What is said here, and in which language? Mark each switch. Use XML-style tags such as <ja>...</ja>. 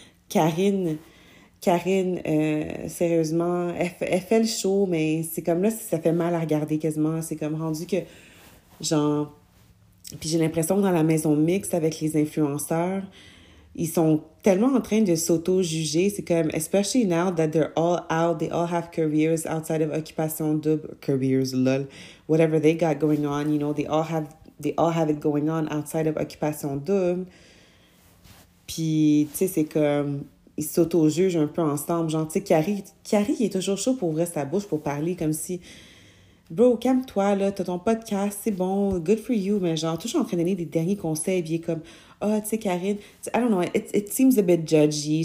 <fr>Karine, sérieusement, elle fait le show, mais c'est comme là, ça fait mal à regarder quasiment. C'est comme rendu que, genre... Puis j'ai l'impression que dans la maison mixte avec les influenceurs, ils sont tellement en train de s'auto-juger. C'est comme,</fr> <en>especially now that they're all out, they all have careers outside of occupation double, careers, lol, whatever they got going on, you know, they all have it going on outside of occupation double.</en> <fr>Puis, tu sais, c'est comme... Ils s'auto-jugent un peu ensemble. Genre, tu sais, Kiari, il est toujours chaud pour ouvrir sa bouche pour parler comme si... Bro, calme-toi, là. T'as ton podcast, c'est bon.</fr> <en>Good for you.</en> <fr>Mais genre, toujours en train de donner des derniers conseils. Puis il est comme... Ah, oh, tu sais, Karine...</fr> <en>I don't know. It seems a bit judgy.</en>